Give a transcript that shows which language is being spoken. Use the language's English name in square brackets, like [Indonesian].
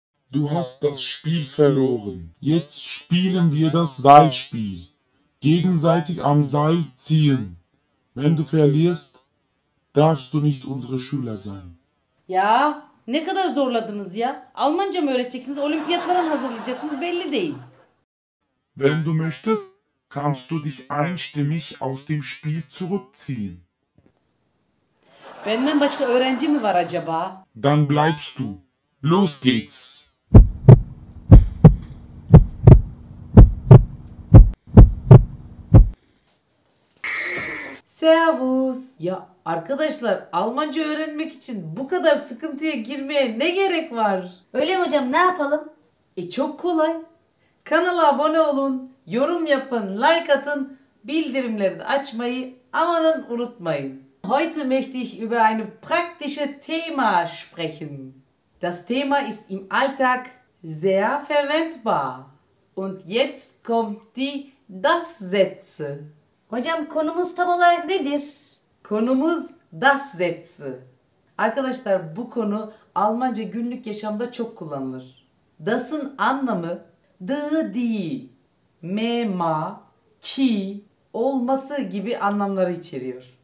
[German] Du hast das Spiel verloren. Jetzt spielen wir das Seilspiel. Gegenseitig am Seil ziehen. Wenn du verlierst, darfst du nicht unsere Schüler sein. [Turkish] Ya, ne kadar zorladınız ya. Almanca mı öğreteceksiniz, olimpiyatlara mı hazırlayacaksınız belli değil. [German] Wenn du möchtest, kannst du dich einstimmig aus dem Spiel zurückziehen. [Turkish] Benden başka öğrenci mi var acaba? [German] Dann bleibst du. Los geht's. Servus. [Turkish] Ya arkadaşlar, Almanca öğrenmek için bu kadar sıkıntıya girmeye ne gerek var? Öyle mi hocam, ne yapalım? E çok kolay. Kanala abone olun, yorum yapın, like atın, bildirimleri açmayı amanın unutmayın. [German] Heute möchte ich über ein praktisches Thema sprechen. Das Thema ist im Alltag sehr verwendbar. Und jetzt kommt die Das-Sätze. [Turkish] Hocam konumuz tam olarak nedir? Konumuz Das-Sätze. Arkadaşlar bu konu Almanca günlük yaşamda çok kullanılır. Das'ın anlamı die, die, mema, ki, olması gibi anlamları içeriyor.